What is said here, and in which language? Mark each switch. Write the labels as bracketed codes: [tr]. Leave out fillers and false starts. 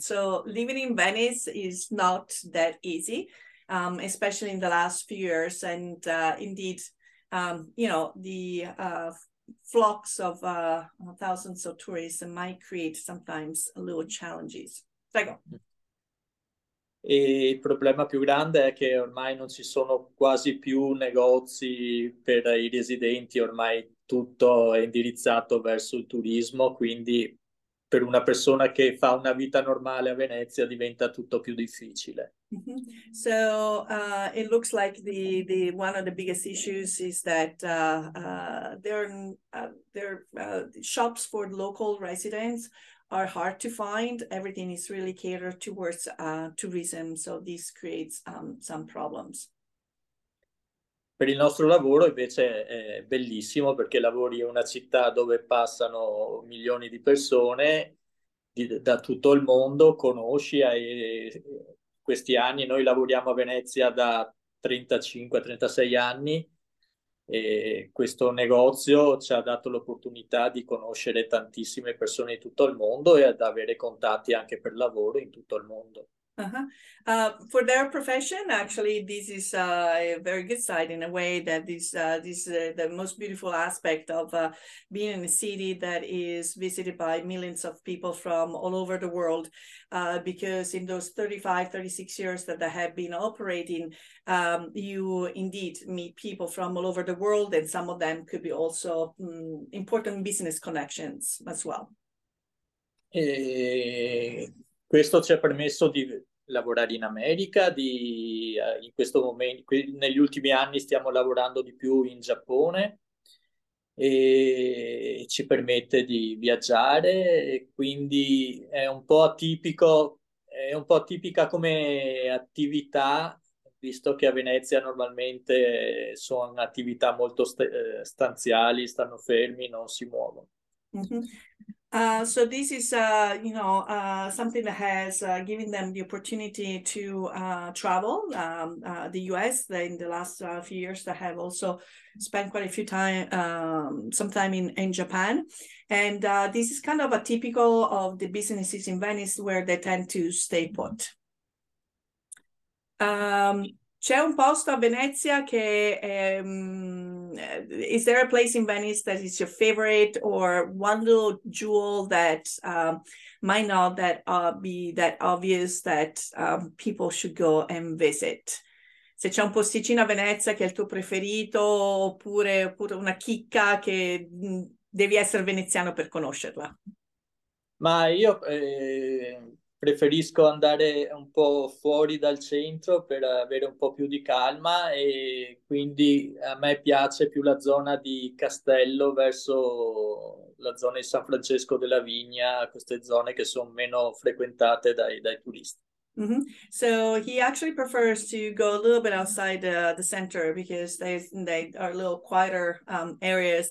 [en] So living in Venice is not that easy, especially in the last few years. And indeed, you know, the flocks of thousands of tourists might create sometimes little challenges. [it] E il problema più grande è che ormai non ci sono quasi più negozi per i residenti, ormai tutto è indirizzato verso il turismo, quindi per una persona che fa una vita normale a Venezia diventa tutto più difficile. Mm-hmm. [en] So it looks like the one of the biggest issues is that there are shops for local residents are hard to find. Everything is really catered towards tourism, so this creates some problems. [it] Per il nostro lavoro invece è bellissimo perché lavori in una città dove passano milioni di persone da tutto il mondo, conosci questi anni. Noi lavoriamo a Venezia da 35-36 anni, E questo negozio ci ha dato l'opportunità di conoscere tantissime persone di tutto il mondo e ad avere contatti anche per lavoro in tutto il mondo. [en] For their profession, actually, this is a very good side in a way that this is the most beautiful aspect of being in a city that is visited by millions of people from all over the world. Because in those 35, 36 years that I have been operating, you indeed meet people from all over the world, and some of them could be also important business connections as well. [it] E questo ci ha permesso di lavorare in America, in questo momento, negli ultimi anni stiamo lavorando di più in Giappone e ci permette di viaggiare, e quindi è un po' atipica come attività, visto che a Venezia normalmente sono attività molto stanziali, stanno fermi, non si muovono. [en] So this is something that has given them the opportunity to travel the US. In the last few years, they have also spent quite a few time some time in Japan. And this is kind of a typical of the businesses in Venice where they tend to stay put. [it] C'è un posto a Venezia che [en] is there a place in Venice that is your favorite or one little jewel that might not that be that obvious that people should go and visit? [it] Se c'è un posticino a Venezia che è il tuo preferito oppure una chicca che devi essere veneziano per conoscerla. Ma io preferisco andare un po' fuori dal centro per avere un po' più di calma, e quindi a me piace più la zona di Castello verso la zona di San Francesco della Vigna, queste zone che sono meno frequentate dai turisti. [en] So he actually prefers to go a little bit outside the center because they are a little quieter areas.